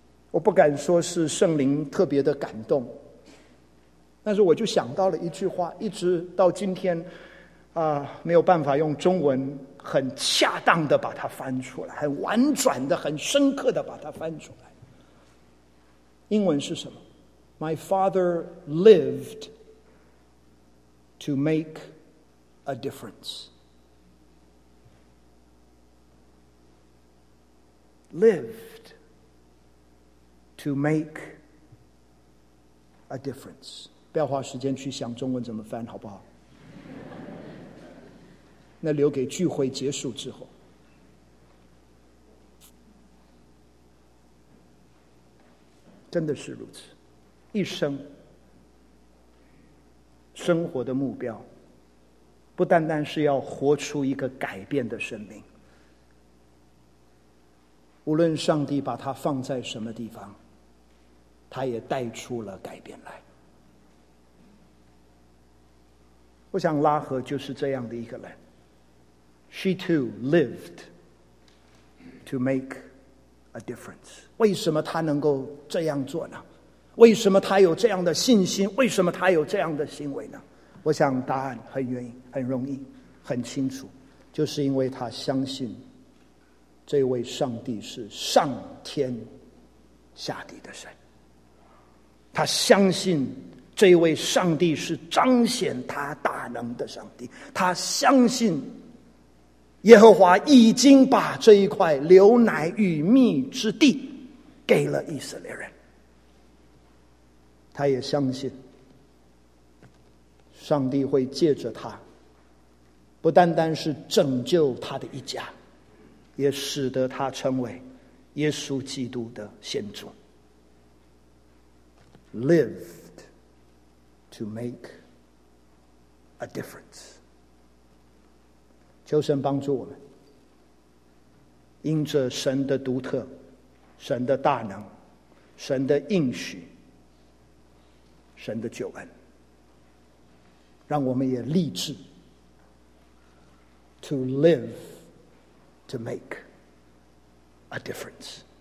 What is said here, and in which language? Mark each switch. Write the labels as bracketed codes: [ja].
[zh] 我不敢说是圣灵特别的感动，但是我就想到了一句话，一直到今天没有办法用中文很恰当的把它翻出来，很婉转的、很深刻的把它翻出来。英文是什么？ [en] My father lived to make a difference. Lived to make a difference. [zh] 不要花时间去想中文怎么翻，好不好？那留给聚会结束之后。真的是如此，一生生活的目标不单单是要活出一个改变的生命，无论上帝把它放在什么地方，它也带出了改变来。我想拉合就是这样的一个人。 [en] She too lived to make a difference. [zh] 为什么他能够这样做呢？为什么他有这样的信心？为什么他有这样的行为呢？我想答案很愿意，很容易，很清楚，就是因为他相信这位上帝是上天下地的神。他相信这位上帝是彰显他大能的上帝。他相信耶和华已经把这一块牛奶与蜜之地给了以色列人。他也相信上帝会借着他，不单单是拯救他的一家，也使得他成为耶稣基督的先祖。 [en] Lived to make a difference. [zh] 求神帮助我们，因着神的独特、神的大能、神的应许、神的救恩，让我们也立志 [en] to live to make a difference。